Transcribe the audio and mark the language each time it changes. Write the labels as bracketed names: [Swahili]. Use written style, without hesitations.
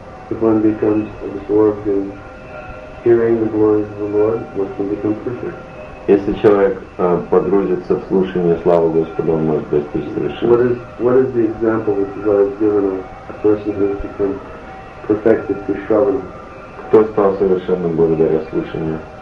[English] If one becomes absorbed in hearing the glories of the Lord, one can become perfect. [Russian] Если человек погрузится в слушание славы Господа, он может достичь совершенства. [English] What is the example that God has given of a person who has become perfected through shravana? [Russian] Кто стал совершенным благодаря слушанию?